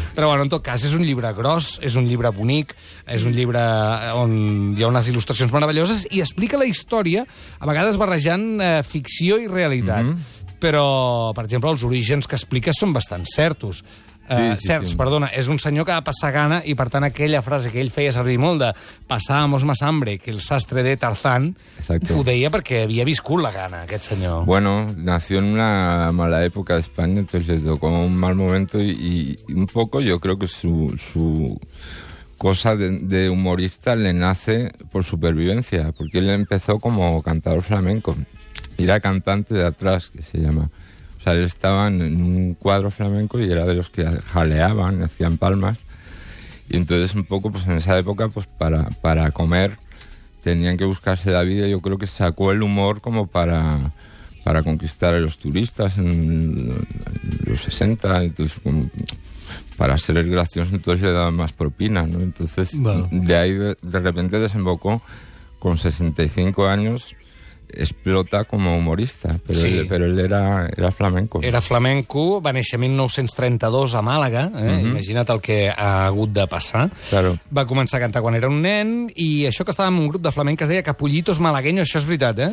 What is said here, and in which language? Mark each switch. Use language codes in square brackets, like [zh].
[ca] Però, bueno, en tot cas, és un llibre gros, és un llibre bonic, és un llibre on hi ha unes il·lustracions meravelloses i explica la història, a vegades barrejant ficció i realitat. Mm-hmm. Però, per exemple, els orígens que explica són bastant certos. Perdona, és un senyor que va passar gana i, per tant, aquella frase que ell feia servir molt de [es] «Pasábamos más hambre que el sastre de Tarzán», [ca] ho deia perquè havia viscut la gana, aquest senyor. [es] Bueno, nació en una mala època d'Espanya, entonces le tocó un mal momento y un poco yo creo que su cosa de humorista le nace por supervivencia, porque él empezó como cantador flamenco. Era cantante de atrás, que se llama... O sea, él estaba en un cuadro flamenco y era de los que jaleaban, hacían palmas. Y entonces un poco, pues en esa época, pues para comer tenían que buscarse la vida. Yo creo que sacó el humor como para conquistar a los turistas en los 60. Entonces, como para ser el gracioso, entonces le daban más propina, ¿no? Entonces, bueno, de ahí de repente desembocó con 65 años... [ca] explota com a humorista, però sí. Ell era flamenco. Era flamenco, va néixer 1932 a Màlaga, uh-huh. Imagina't el que ha hagut de passar. [es] Claro. [ca] Va començar a cantar quan era un nen, i això que estava en un grup de flamenc que es deia Capullitos Malagueños, això és veritat, eh?